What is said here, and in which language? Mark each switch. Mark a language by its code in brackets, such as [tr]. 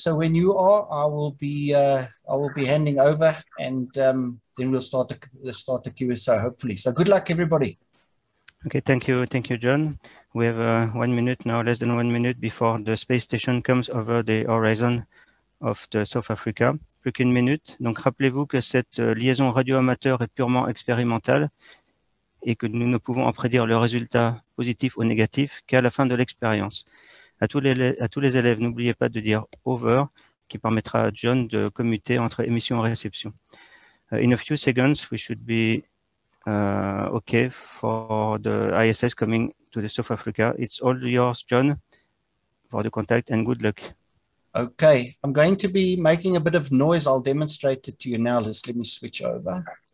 [en] So when you are, I will be handing over, and then we'll start the QSO, hopefully. So good luck, everybody. Okay, thank you. Thank you, John. We have 1 minute now, less than 1 minute, before the space station comes over the horizon of the South Africa. [fr] Plus qu'une minute. Donc rappelez-vous que cette liaison radio-amateur est purement expérimentale et que nous ne pouvons en prédire le résultat positif ou négatif qu'à la fin de l'expérience. À tous les élèves, n'oubliez pas de dire over, qui permettra à John de commuter entre émission et réception. [en] In a few seconds, we should be okay for the ISS coming to the South Africa. It's all yours, John, for the contact and good luck. Okay, I'm going to be making a bit of noise. I'll demonstrate it to you now. Let me switch over.